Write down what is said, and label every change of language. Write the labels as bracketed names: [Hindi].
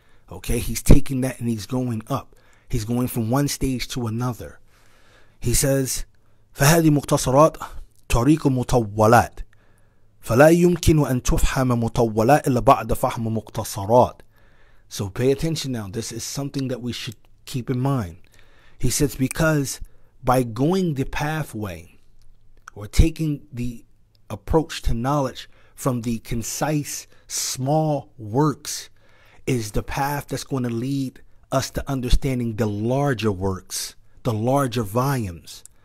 [English] Okay, he's taking that and he's going up. He's going from one stage to another. He says, [Arabic] فهذه مختصرات طريق مطولات فلا يمكن أن تفهم مطولات إلا بعد فهم مختصرات. [English] So pay attention now. This is something that we should keep in mind. He says, because by going the pathway or taking the approach to knowledge from the concise, small works is the path that's going to lead us to understanding the larger works, the larger volumes.